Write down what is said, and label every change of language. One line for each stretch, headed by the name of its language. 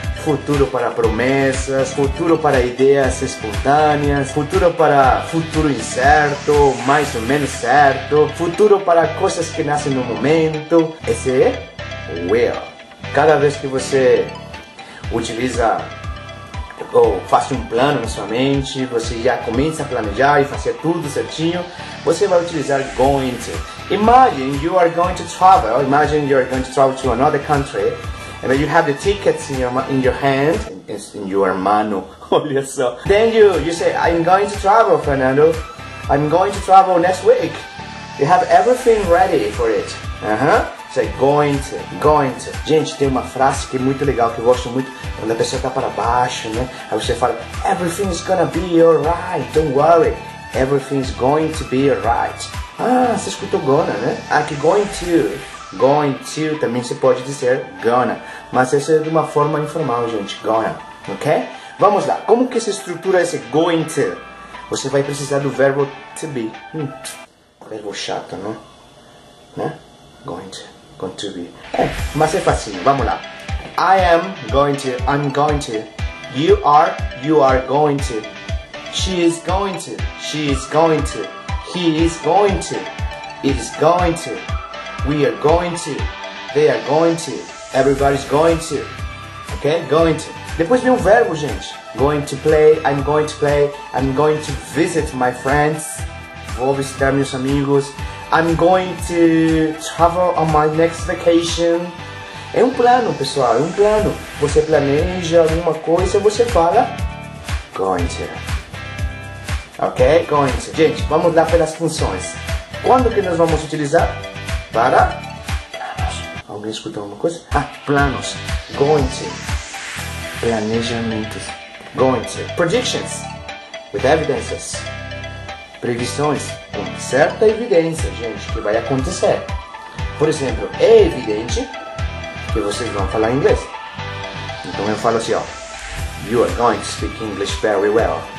Portuguese: Futuro para promessas, futuro para ideias espontâneas, futuro para futuro incerto, mais ou menos certo, futuro para coisas que nascem no momento. Esse é will. Cada vez que você utiliza ou faz um plano na sua mente, você já começa a planejar e fazer tudo certinho, você vai utilizar going to.
English: Imagine you are going to travel to another country. And then you have the tickets in your hand, in your mano, obviously. Then you say, I'm going to travel, Fernando. I'm going to travel next week. You have everything ready for it. Say, going to.
Portuguese: Gente, tem uma frase que é muito legal, que eu gosto muito, quando a pessoa está para baixo, né? Aí você fala,
English: everything is gonna be alright, don't worry. Everything is going to be alright.
Portuguese: Ah, você escutou gonna, né? Ah, que going to. Going to, também se pode dizer gonna, mas isso é de uma forma informal, gente, gonna, ok? Vamos lá, como que se estrutura esse going to? Você vai precisar do verbo to be. Verbo chato, não? Né?
English: Going to be.
Portuguese: É, mas é facinho, vamos lá.
English: I'm going to. You are going to. She is going to. He is going to. It is going to. We are going to, they are going to, everybody's going to, ok? Going to.
Portuguese: Depois vem um verbo, gente.
English: I'm going to play, I'm going to visit my friends,
Portuguese: vou visitar meus amigos,
English: I'm going to travel on my next vacation.
Portuguese: É um plano, pessoal, é um plano. Você planeja alguma coisa, você fala, going to, ok? Going to. Gente, vamos lá pelas funções. Quando que nós vamos utilizar? Para planos. Alguém escutou alguma coisa? Ah, planos.
English: Going to. Planejamentos. Going to. Predictions. With evidences. Previsões.
Portuguese: Com certa evidência, gente, que vai acontecer. Por exemplo, é evidente que vocês vão falar inglês. Então eu falo assim, ó.
English: You are going to speak English very well.